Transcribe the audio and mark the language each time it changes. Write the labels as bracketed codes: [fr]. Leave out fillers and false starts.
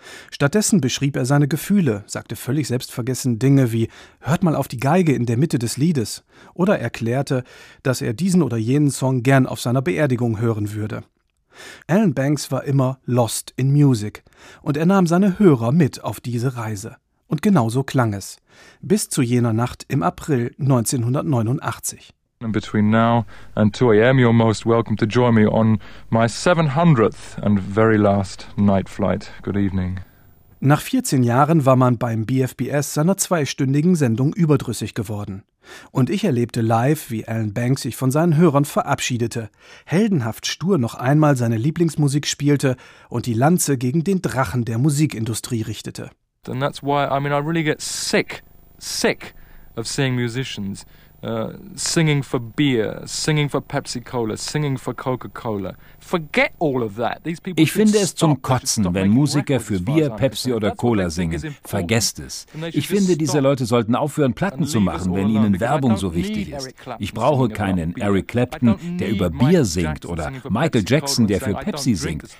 [de] Stattdessen beschrieb er seine Gefühle, sagte völlig selbstvergessen Dinge wie »Hört mal auf die Geige in der Mitte des Liedes« oder erklärte, dass er diesen oder jenen Song gern auf seiner Beerdigung hören würde. Alan Banks war immer » [en] lost in music« [de] und er nahm seine Hörer mit auf diese Reise. Und genau so klang es. Bis zu jener Nacht im April 1989. [en] And between now and 2 a.m. you're most welcome to join me on my 700th and very last night flight. Good evening. [de] Nach 14 Jahren war man beim BFBS seiner 2-stündigen Sendung überdrüssig geworden. Und ich erlebte live, wie Alan Banks sich von seinen Hörern verabschiedete, heldenhaft stur noch einmal seine Lieblingsmusik spielte und die Lanze gegen den Drachen der Musikindustrie richtete. [en] And that's why, I mean, I really get sick of seeing musicians singing for beer, singing for Pepsi Cola, singing for Coca-Cola. Forget all of that. These people. [de] Ich finde es zum Kotzen, wenn Musiker für Bier, Pepsi oder Cola singen. Vergesst es. Ich finde, diese Leute sollten aufhören, Platten zu machen, wenn ihnen Werbung so wichtig ist. Ich brauche keinen Eric Clapton, der über Bier singt, oder Michael Jackson, der für Pepsi singt.